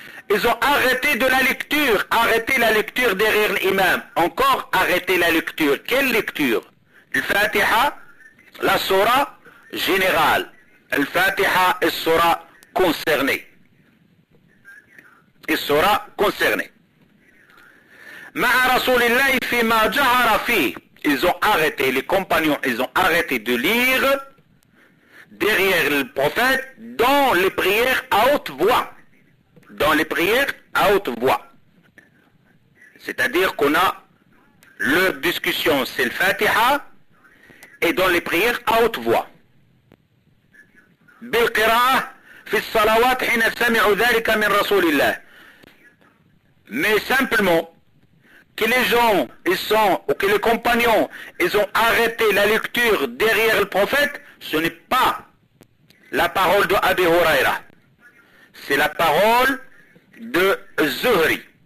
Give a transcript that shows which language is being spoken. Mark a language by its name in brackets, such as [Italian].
[French] Ils ont arrêté de la lecture, arrêté la lecture derrière l'imam. Encore arrêté la lecture. Quelle lecture? Le Fatiha, la Sourah générale. Le Fatiha et Sourah concernée. Et Sourah concernée. [Arabic] مع رسول الله فيما جهر فيه. [French] Ils ont arrêté, les compagnons, ils ont arrêté de lire derrière le prophète dans les prières à haute voix. Dans les prières à haute voix. C'est-à-dire qu'on a leur discussion, c'est le Fatiha, et dans les prières à haute voix. [Arabic] بالقراءه في الصلوات حين سمعوا ذلك من رسول الله. [French] Mais simplement, que les gens, ils sont, ou que les compagnons, ils ont arrêté la lecture derrière le prophète, ce n'est pas la parole de Abi Huraira. C'est la parole de Zuhri.